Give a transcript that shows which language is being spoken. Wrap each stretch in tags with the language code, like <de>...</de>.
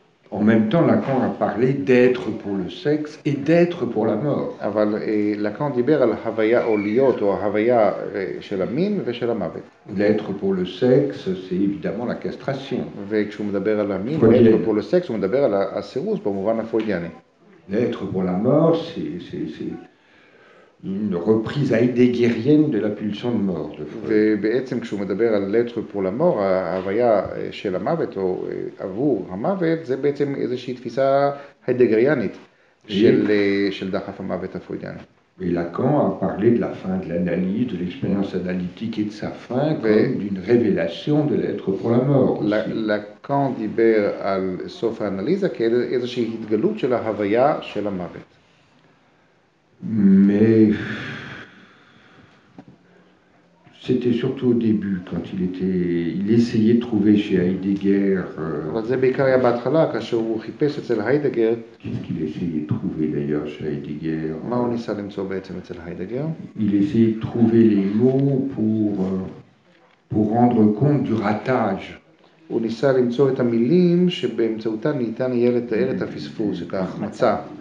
<fr>En même temps, Lacan a parlé d'être pour le sexe et d'être pour la mort.</fr> <he>אבל Lacan דיבר על הוויה או להיות או הוויה של המין ושל המוות.</he> <fr>L'être pour le sexe, c'est évidemment la castration.</fr> <he>וכשהוא מדבר על המין,</he> <fr>l'être pour le sexe,</fr> <he>הוא מדבר על הסירוס במובן הפרוידיאני.</he> <fr>L'être pour la mort, c'est une reprise heideggerienne de la pulsion de mort.</fr> <he>ובעצם כשהוא מדבר על לטר פור למור, ההוויה של המוות או עבור המוות, זה בעצם איזושהי תפיסה היידגריאנית של דחף המוות הפרוידיאני.</he> <fr>Et Lacan a parlé de la fin de l'analyse, de l'expérience analytique et de sa fin comme d'une révélation de l'être pour la mort. Lacan dit</fr> <he>al sof</he> <fr>analyse que c'est une révélation de la havaya de la mort. Mais c'était surtout au début quand il essayait de trouver chez Heidegger. Qu'est-ce qu'il essayait de trouver d'ailleurs chez Heidegger? Il essayait de trouver les mots pour rendre compte du ratage.</fr> <he>הוא ניסה למצוא את המילים שבאמצעותן ניתן יהיה לתאר את הפספוס, את ההחמצה.</he>